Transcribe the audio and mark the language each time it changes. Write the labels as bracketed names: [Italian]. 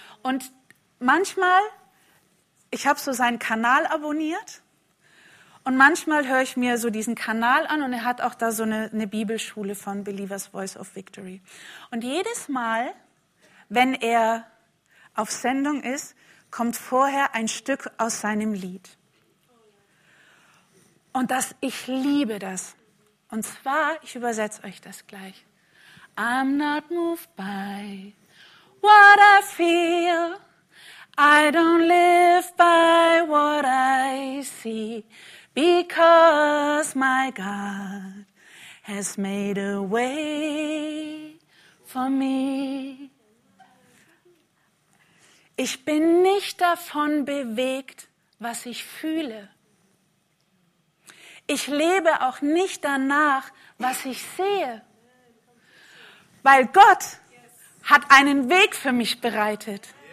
[German] Und manchmal, ich habe so seinen Kanal abonniert und manchmal höre ich mir so diesen Kanal an und er hat auch da so eine Bibelschule von Believer's Voice of Victory. Und jedes Mal, wenn er auf Sendung ist, kommt vorher ein Stück aus seinem Lied. Und das, ich liebe das. Und zwar, ich übersetze euch das gleich. [English] I'm not moved by what I feel. I don't live by what I see. Because my God has made a way for me. [German] Ich bin nicht davon bewegt, was ich fühle. Ich lebe auch nicht danach, was ich sehe, weil Gott hat einen Weg für mich bereitet.